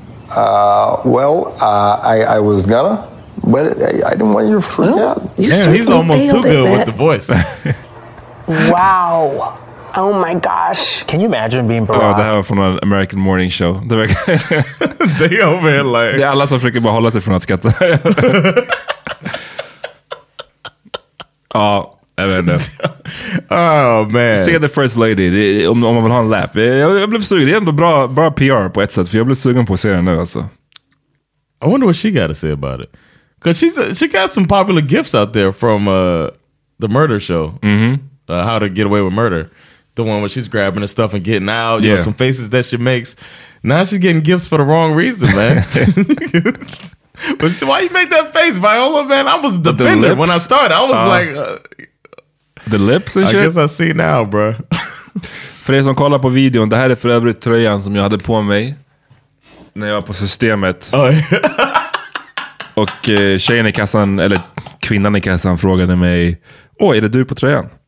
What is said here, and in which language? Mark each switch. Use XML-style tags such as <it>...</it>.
<en>I was gonna. But I didn't want you to freak out. Yeah, he's almost too good with the voice. Wow. Oh my gosh. Can you imagine being Barack? Oh, that was from an American morning show. They over here like...</en> <sv>Yeah, alla som försöker bara hålla sig från att skatta.</sv> <en>Oh, I don't know. Oh, man. See the first lady.</en> <sv>Om man vill ha en lap. Jag blev sugen. Det är ändå bra PR på ett sätt. För jag blev sugen på att se den nu alltså.</sv> <en>I wonder what she got to say about it. Cause she got some popular gifts out there from the murder show, mm-hmm. How to Get Away with Murder, the one where she's grabbing the stuff and getting out. You know, some faces that she makes. Now she's getting gifts for the wrong reason, man. But why you make that face, Viola? Man, I was defended when I started. I was like, the lips and shit. I guess I see now, bro.</en> <sv>För er som kollar på videon, det här är för övrigt tröjan som jag hade på mig när jag var på systemet. Och tjejen i kassan, eller kvinnan i kassan, frågade mig: "Åh, är det du på tröjan?"</sv>